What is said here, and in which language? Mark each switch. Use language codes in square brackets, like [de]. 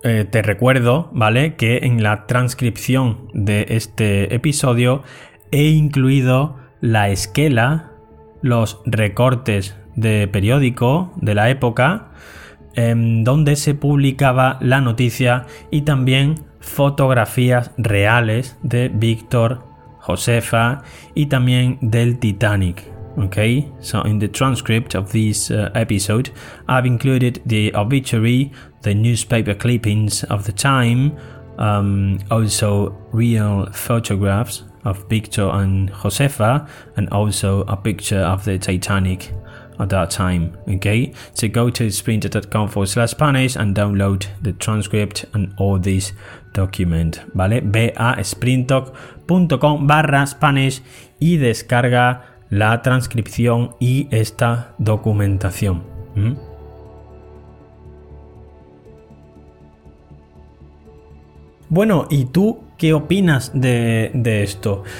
[es] Te recuerdo, ¿vale?, que en la transcripción de este episodio he incluido la esquela, los recortes de periódico de la época, donde se publicaba la noticia, y también fotografías reales de Víctor, Josefa y también del Titanic. [en] Okay, so in the transcript of this episode, I've included the obituary, the newspaper clippings of the time, also real photographs of Victor and Josefa, and also a picture of the Titanic at that time. Okay, so go to sprinter.com/Spanish and download the transcript and all this document. [es] Vale, ve a sprinter.com/Spanish y descarga la transcripción y esta documentación. Bueno, ¿y tú qué opinas de esto?